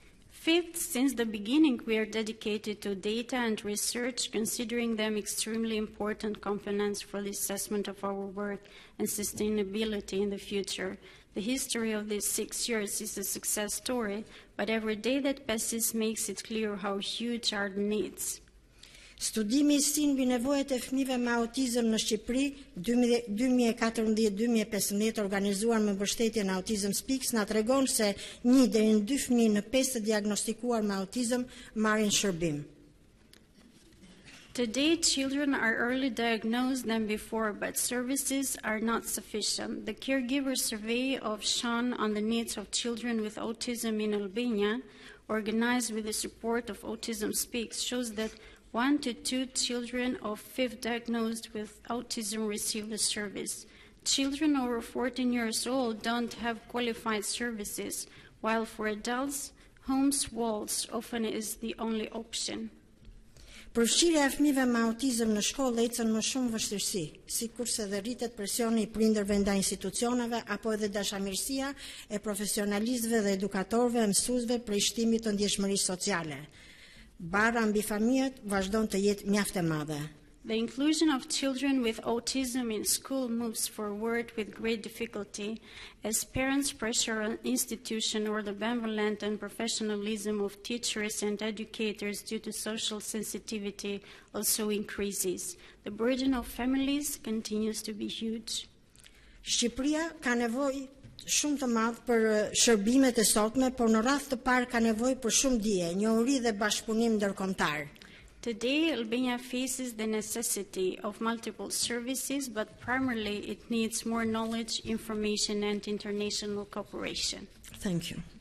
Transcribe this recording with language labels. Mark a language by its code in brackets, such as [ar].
[en] Fifth, since the beginning, we are dedicated to data and research, considering them extremely important components for the assessment of our work and sustainability in the future. The history of these 6 years is a success story, but every day that passes makes it clear how huge are the needs. [sq] Studimi I sin mbi nevojat e fëmijëve me autizëm në Shqipëri 2014-2015 organizuar me mbështetjen Autism Speaks na tregon se 1 deri në 2 fëmijë në 5 të diagnostikuar me autizëm marrin shërbim. [en] Today children are early diagnosed than before, but services are not sufficient. The caregiver survey of Sean on the needs of children with autism in Albania, organized with the support of Autism Speaks, shows that 1 to 2 children of 5 diagnosed with autism receive the service. Children over 14 years old don't have qualified services, while for adults, homes walls often is the only option. [sq] Përfshirja e fëmijëve me autizëm në shkollë ecën më shumë vështirësi, sikurse edhe rritet presioni I prindërve ndaj institucioneve apo edhe dashamirësia e profesionalistëve dhe edukatorëve, mësuesve prej shtimit të ndjeshmërisë sociale. Barra mbi familjet vazhdon të jetë mjaft e madhe. [en] The inclusion of children with autism in school moves forward with great difficulty as parents pressure on institution or the benevolent and professionalism of teachers and educators due to social sensitivity also increases. The burden of families continues to be huge. [sq] Shqipëria ka nevojë shumë të madh për shërbimet e sotme, por në radhë të parë ka nevojë për shumë dije, njohuri dhe bashkëpunim ndërkombëtar. [en] Today Albania faces the necessity of multiple services, but primarily it needs more knowledge, information and international cooperation. Thank you.